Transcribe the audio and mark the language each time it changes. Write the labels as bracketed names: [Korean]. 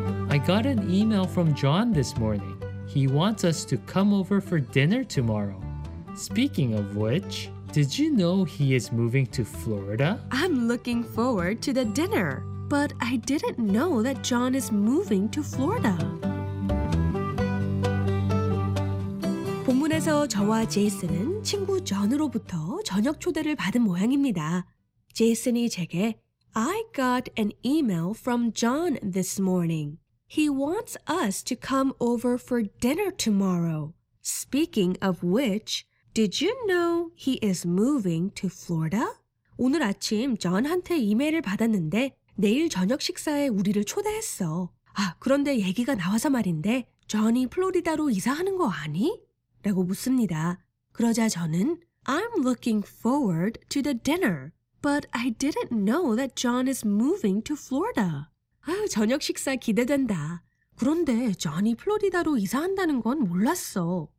[English] I got an email from John this morning. He wants us to come over for dinner tomorrow. Speaking of which, did you know he is moving to Florida? I'm looking forward to the dinner, but I didn't know that John is moving to Florida. [Korean] 본문에서 저와 제이슨은 친구 존으로부터 저녁 초대를 받은 모양입니다. 제이슨이 제게 [English] I got an email from John this morning. He wants us to come over for dinner tomorrow. Speaking of which, did you know he is moving to Florida? [Korean] 오늘 아침 존한테 이메일을 받았는데 내일 저녁 식사에 우리를 초대했어. 아, 그런데 얘기가 나와서 말인데 존이 플로리다로 이사하는 거 아니? 라고 묻습니다. 그러자 저는 [English] I'm looking forward to the dinner, but I didn't know that John is moving to Florida. [Korean] 아유, 저녁 식사 기대된다. 그런데 존이 플로리다로 이사한다는 건 몰랐어.